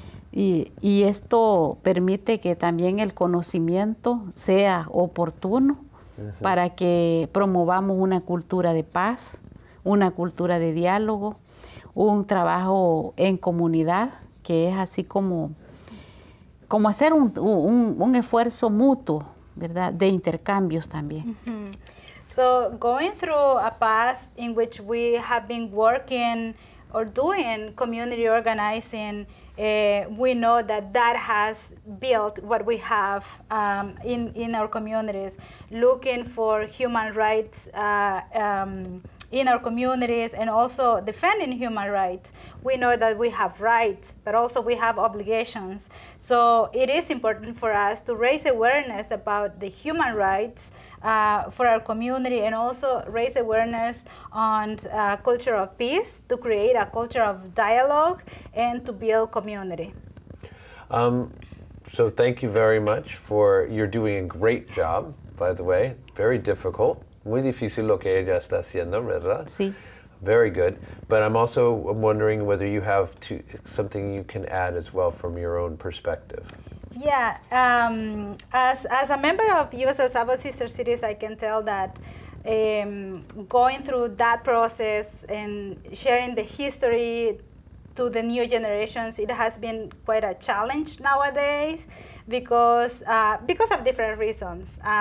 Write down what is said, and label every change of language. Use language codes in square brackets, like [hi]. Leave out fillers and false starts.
[es] Y esto permite que también el conocimiento sea oportuno para que promovamos una cultura de paz, una cultura de diálogo, un trabajo en comunidad, que es así como hacer un esfuerzo mutuo, ¿verdad? De intercambios también. [en] So going through a path in which we have been working or doing community organizing, we know that has built what we have in our communities, looking for human rights in our communities and also defending human rights. We know that we have rights, but also we have obligations. So it is important for us to raise awareness about the human rights for our community and also raise awareness on a culture of peace, to create a culture of dialogue and to build community. So thank you very much you're doing a great job, by the way, very difficult. [es] Muy difícil lo que ella está haciendo, ¿verdad? Sí. [en] Very good. But I'm also wondering whether you have something you can add as well from your own perspective. Yeah. As a member of U.S. El Salvador Sister Cities, I can tell that going through that process and sharing the history to the new generations, it has been quite a challenge nowadays because of different reasons.